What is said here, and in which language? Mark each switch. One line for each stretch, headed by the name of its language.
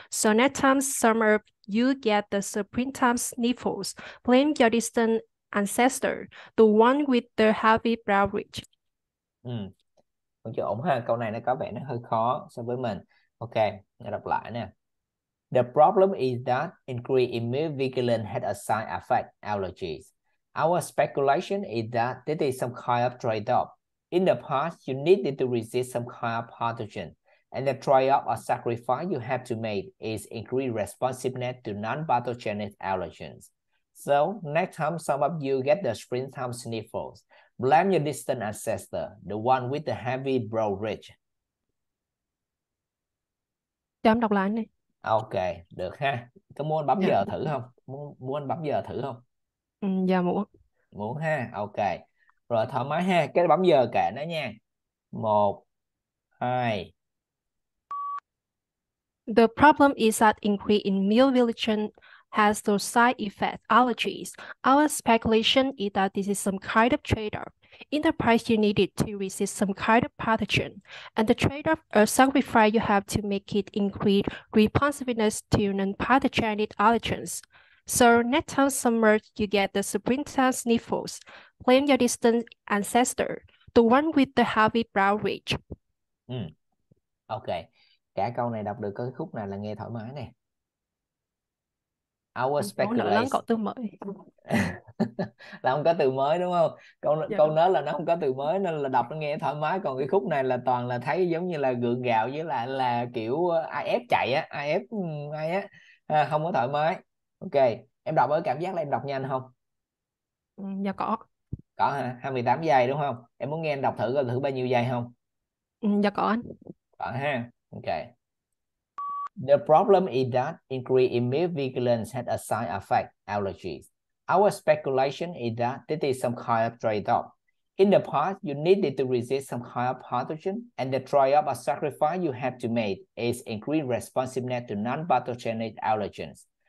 English: So next time summer you get the springtime sniffles, blame your distant ancestor, the one with the heavy brow ridge.
Vietnamese: Ừ. Chưa ổn ha, câu này nó có vẻ nó hơi khó so với mình. Ok, nghe đọc lại nè.
English: The problem is that increased immune vigilance had a side effect, allergies. Our speculation is that this is some kind of trade-off. In the past, you needed to resist some kind of pathogen, and the trade-off or sacrifice you have to make is increased responsiveness to non-pathogenic allergens. So, next time some of you get the springtime sniffles, blame your distant ancestor, the one with the heavy brow ridge.
Vietnamese: Cho em đọc lại anh đi. Ok, được ha. Có muốn bấm Dạ. giờ thử không? Muốn bấm giờ thử không? Ừ, dạ muốn. Muốn ha, ok. Rồi thoải mái ha, cái bấm giờ kệ nó nha. Một, hai.
English: The problem is that increase in male vigilance has those side effect allergies. Our speculation is that this is some kind of trade-off. In the price you needed to resist some kind of pathogen, and the trade-off or sacrifice you have to make it increase responsiveness to non-pathogenic allergens. So next time summer you get the springtime sniffles, blame your distant ancestor, the one with the heavy brow ridge. Ok.
Vietnamese: Cả câu này đọc được có cái khúc nào là nghe thoải mái nè. Ông cháu nợ lắm cậu tôi mời. Là không có từ mới đúng không? Câu Dạ câu đúng. nói là nó không có từ mới nên là đọc nó nghe thoải mái, còn cái khúc này là toàn là thấy giống như là gượng gạo với lại là kiểu ai ép chạy á, ai ép ai á, không có thoải mái. Ok, em đọc với cảm giác là em đọc nhanh không? Dạ có. Có hả? 28 giây đúng không? Em muốn nghe em đọc thử coi thử bao nhiêu giây không? Dạ có anh. Ha. Okay.
English: The problem is that increased immune vigilance had a side effect, allergies. Our speculation is that this is some kind of trade-off. In the past, you needed to resist some kind of pathogen, and the trade-off or sacrifice you have to make is increased responsiveness to non-pathogenic allergens.